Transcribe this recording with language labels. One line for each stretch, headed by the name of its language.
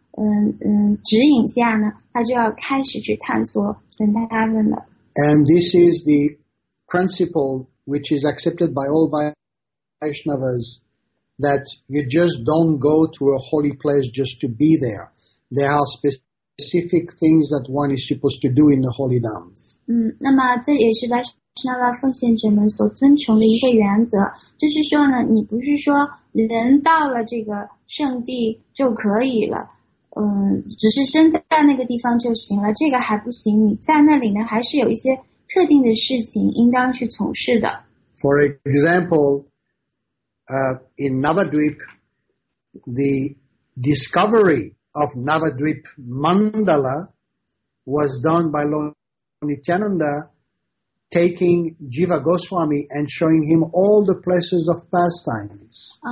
Chinese: 指引下呢，他就要开始去探索 Vrindavan 了。
English: And this is the principle which is accepted by all Vaishnavas that you just don't go to a holy place just to be there. There are specific things that one is supposed to do in the holy dance.
Chinese: 那么这也是 Vaishnava 奉献者们所遵从的一个原则，就是说呢，你不是说人到了这个圣地就可以了，只是身在那个地方就行了，这个还不行，你在那里呢，还是有一些特定的事情应当去从事的。
English: For example, in Navadvip, the discovery of Navadvip Mandala was done by Lord Nityananda, taking Jiva Goswami and showing him all the places of pastimes.